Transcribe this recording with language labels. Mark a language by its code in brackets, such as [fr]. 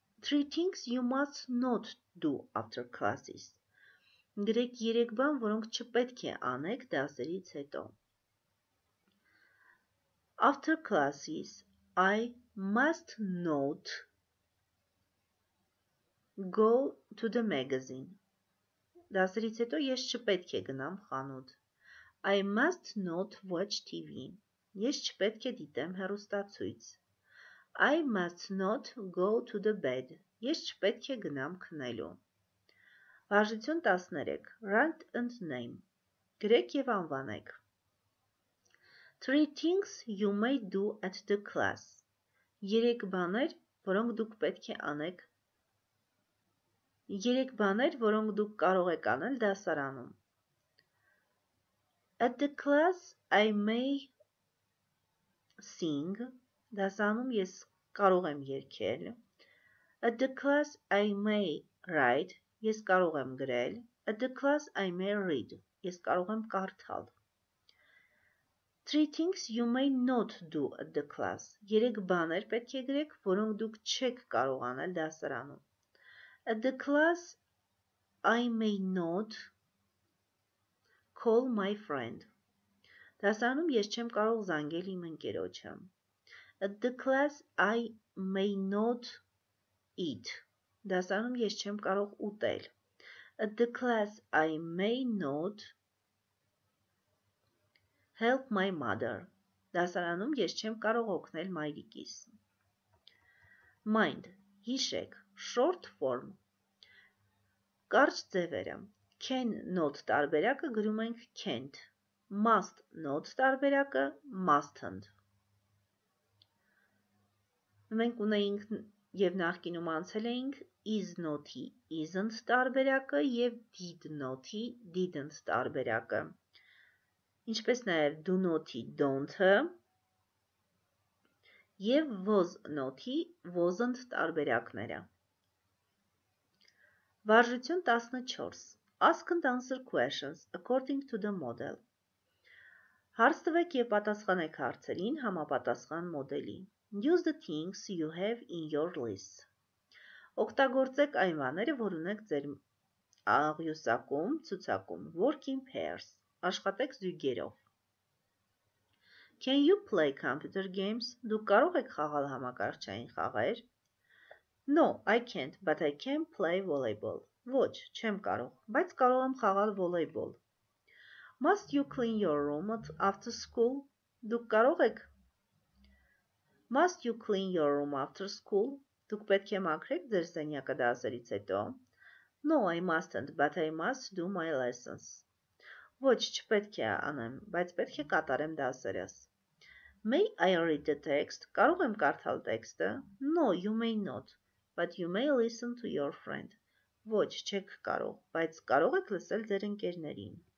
[en] Three things you must not do after classes. [hy] Գրեք երեք բան, որոնք չպետք է անեք դասերից հետո. [en] After classes, I must not go to the magazine. [hy] Դասերից հետո ես չպետք է գնամ խանութ. [en] I must not watch TV. [hy] Ես չպետք է դիտեմ հեռուստացույց. [en] I must not go to the bed. [hy] Ես չպետք է գնամ քնելու. Վարժություն 13. [en] Write and name. [hy] Գրեք եւ անվանեք. [en] Three things you may do at the class. [hy] Երեք բաներ, որոնք դուք պետք է անեք. Երեք բաներ, որոնք դուք կարող եք անել դասարանում. [en] At the class I may sing. [hy] Դասարանում ես կարող եմ երգել. [en] At the class I may write. [hy] Ես կարող եմ գրել. [en] At the class I may read. [hy] Ես կարող եմ կարդալ. [en] Three things you may not do at the class. [hy] Երեք բաներ պետք է գրեք, որոնք դուք չեք կարողանալ դասարանում. [en] At the class I may not call my friend. [hy] Դասարանում ես չեմ կարող զանգել իմ ընկերոջը. [en] At the class I may not eat. [hy] Դասարանում ես չեմ կարող ուտել. [en] At the class I may not help my mother. [hy] Դասարանում ես չեմ կարող օգնել մայրիկիս. [en] Mind. [hy] Հիշեք. [en] Short form. [hy] Կարճ ձևերը. Can not տարբերակը գրում ենք can't. Must not տարբերակը mustn't. Մենք ունեինք եւ նախկինում անցել էինք is not-ի isn't տարբերակը եւ did not-ի didn't տարբերակը. Ինչպես նաև do not-ի don't-ը եւ was not-ի wasn't տարբերակները։ Վարժություն 14. [en] Ask and answer questions according to the model. [hy] Հարց տվեք եւ պատասխանեք հարցերին համապատասխան մոդելի։ [en] Use the things you have in your list. [hy] Օգտագործեք այն բաները, որ ունեք ձեր աղյուսակում, ցուցակում. [en] Work in pairs. [hy] Աշխատեք զույգերով. [en] Can you play computer games? [hy] Դուք կարող եք խաղալ համակարգչային խաղեր? [en] No, I can't, but I can play volleyball. [hy] Ոչ, չեմ կարող, բայց կարող եմ խաղալ volleyball. [en] Must you clean your room after school? [hy] Դուք կարող եք [en] Must you clean your room after school? [hy] Դուք պետք է մաքրեք ձեր սենյակը դասերից հետո. [en] No, I mustn't, but I must do my lessons. [hy] Ոչ, չպետք է անեմ, բայց պետք է կատարեմ դասերս. [en] May I read the text? [hy] Կարող եմ կարդալ տեքստը? [en] No, you may not, but you may listen to your friend. [hy] Ոչ, չեք կարող, բայց կարող եք լսել ձեր ընկերներին։